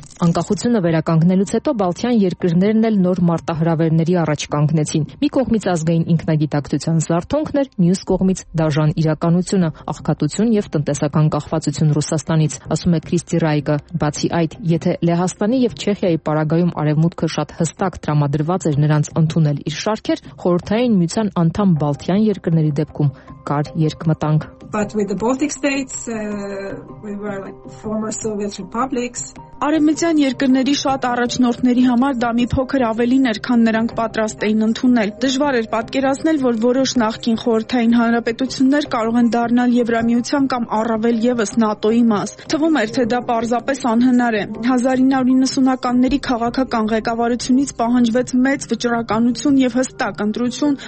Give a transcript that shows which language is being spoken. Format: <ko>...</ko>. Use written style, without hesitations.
<hy>Անկախությունը վերականգնելուց հետո Բալթյան երկրներն էլ նոր մարտահրավերների առաջ կանգնեցին։ Մի կողմից ազգային ինքնագիտակցության զարթոնքներ, մյուս կողմից դաժան իրականությունը, աղքատություն եւ տնտեսական կախվածություն Ռուսաստանից, ասում է Քրիստի Ռայկը։ Բացի այդ, եթե Լեհաստանի եւ Չեխիայի պարագայում արևմուտքը շատ հստակ տրամադրված էր նրանց ընդունել իր շարքեր, խորհրդային միության անդամ Բալթյան երկրների դեպքում կար երկմտանք։</hy> <en>But with the Baltic states we were like former Soviet republics.</en> <hy>Արևմտյան երկրների շատ առաջնորդների համար դա մի փոքր ավելին էր, քան նրանք պատրաստ էին ընդունել։ Դժվար էր պատկերացնել, որ որոշ նախկին խորհրդային հանրապետություններ կարող են դառնալ Եվրամիության կամ առավել ևս ՆԱՏՕ-ի մաս։ Թվում էր, թե դա պարզապես անհնար է։ 1990-ականների քաղաքական ղեկավարությունից պահանջվեց մեծ վճռականություն եւ հստակ ընտրություն,</hy>